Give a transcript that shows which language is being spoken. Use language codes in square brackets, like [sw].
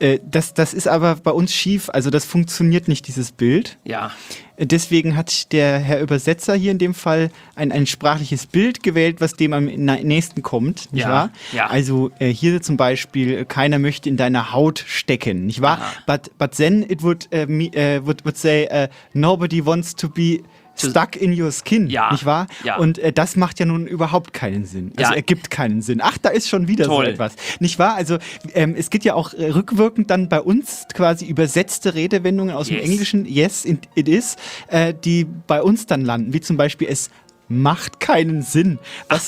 [de] Das ist aber bei uns schief, also das funktioniert nicht, dieses Bild. Ja. Deswegen hat der Herr Übersetzer hier in dem Fall ein sprachliches Bild gewählt, was dem am nächsten kommt, nicht ja. wahr? Ja. Also hier zum Beispiel, keiner möchte in deiner Haut stecken, nicht wahr? [en] But then it would say, nobody wants to be stuck in your skin, [de] ja. Nicht wahr? Ja. Und das macht ja nun überhaupt keinen Sinn. Also ja. Ergibt keinen Sinn. Ach, da ist schon wieder toll. So etwas. Nicht wahr? Also es geht ja auch rückwirkend dann bei uns quasi übersetzte Redewendungen aus [en] yes. [de] dem Englischen, [en] yes, it is, [de] die bei uns dann landen. Wie zum Beispiel, es macht keinen Sinn. Was